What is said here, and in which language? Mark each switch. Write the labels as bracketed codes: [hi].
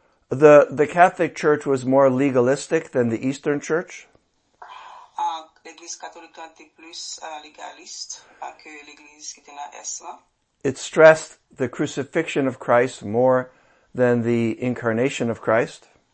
[en] The Catholic Church was more legalistic than the Eastern Church. [fr] L'Église catholique était plus légaliste que l'Église qui était dans l'Est. [en] It stressed the crucifixion of Christ more than the incarnation of Christ.